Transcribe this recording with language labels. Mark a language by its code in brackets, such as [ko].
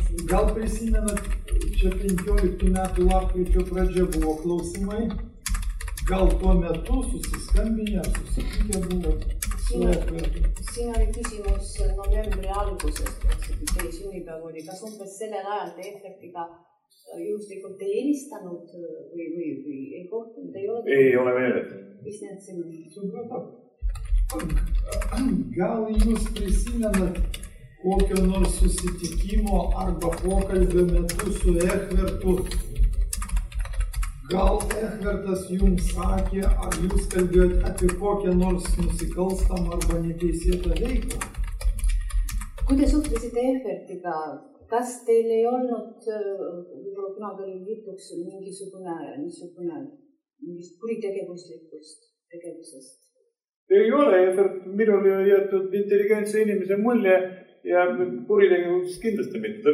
[lt] Gal prisimenat, čia 15 metų lapkričio pradžia buvo klausimai, gal tuo metu susiskambinė, susitikė buvo su Ehvertu? [et] Siin oli küsimus novembri alguses, teie sünnipäev oli, kas umbes sellel ajal te Ehvertiga juhuslikult ei helistanud või ei kohtunud, ei ole? Ei ole meeldet. Mis need siin on? [lt] Gal jūs prisimenat kokio nors susitikimo arba pokalbio metu su Ehvertu? Gal Ehvertas jums sakė, ar jūs kalbėjote apie kokią nors nusikalstamą arba neteisėtą veiklą? [et] Kui te suhtlesite Ehvertiga, kas teil ei olnud, võibolla kunagi oli jutuks mingisugune kuritegevuslikust tegevusest? Ei ole, Ehvert, minul on jätud intelligentse inimese mulje ja kuritegevus kindlasti mitte.